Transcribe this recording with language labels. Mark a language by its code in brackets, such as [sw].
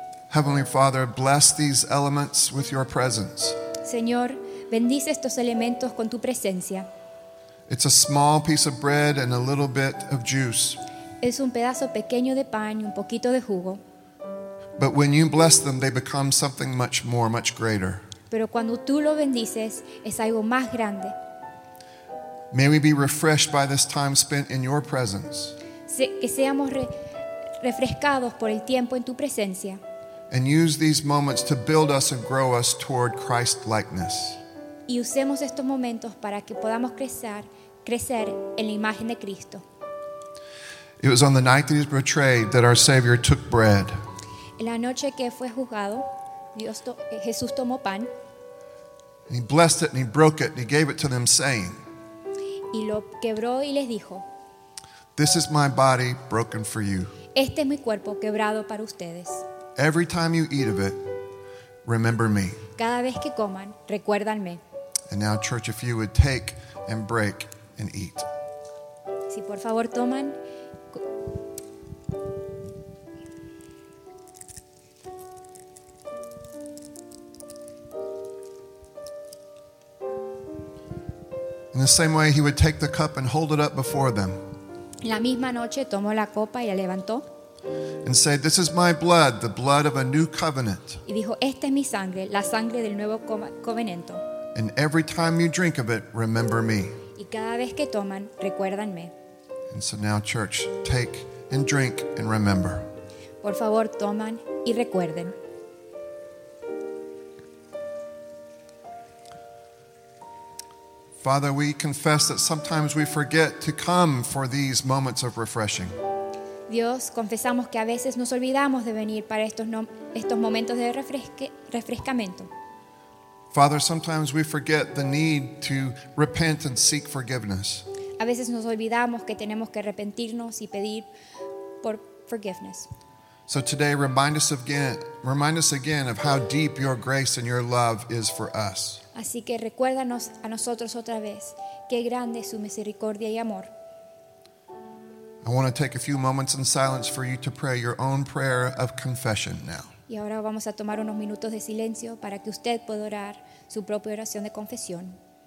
[en] Heavenly Father, bless these elements with your presence. [es] Señor, bendice estos elementos con tu presencia. [en] It's a small piece of bread and a little bit of juice. [es] Es un pedazo pequeño de pan y un poquito de jugo. [en] But when you bless them, they become something much more, much greater. [es] Pero cuando tú lo bendices, es algo más grande. [en] May we be refreshed by this time spent in your presence. [es] Que seamos refrescados por el tiempo en tu presencia. [en] And use these moments to build us and grow us toward Christ-likeness. [es] Y usemos estos momentos para que podamos crecer en la imagen de Cristo. [en] It was on the night that he was betrayed that our Savior took bread. [es] En la noche que fue juzgado, Jesús tomó pan. [en] And he blessed it and he broke it and he gave it to them saying, [es] y lo quebró y les dijo, [en] this is my body broken for you. [es] Este es mi cuerpo quebrado para ustedes. [en] Every time you eat of it, remember me. [es] Cada vez que coman, recuérdanme. [en] And now, church, if you would take and break and eat. [es] Si por favor toman. [en] In the same way, he would take the cup and hold it up before them. [es] La misma noche tomó la copa y la levantó. [en] And said, "This is my blood, the blood of a new covenant." [es] Y dijo, "Esta es mi sangre, la sangre del nuevo covenanto." [en] And every time you drink of it, remember me. [es] Y cada vez que toman, recuérdanme. [en] And so now, church, take and drink and remember. [es] Por favor, toman y recuerden. [en] Father, we confess that sometimes we forget to come for these moments of refreshing. [es] Dios, confesamos que a veces nos olvidamos de venir para estos momentos de refrescamiento. [en] Father, sometimes we forget the need to repent and seek forgiveness. [es] A veces nos olvidamos que tenemos que arrepentirnos y pedir por [en] forgiveness. So today, remind us again of how deep your grace and your love is for us. [es] Así que recuérdanos a nosotros otra vez qué grande es su misericordia y amor. [en] I want to take a few moments in silence for you to pray your own prayer of confession now. [es] Y ahora vamos a tomar unos minutos de silencio para que usted pueda orar su propia oración de confesión.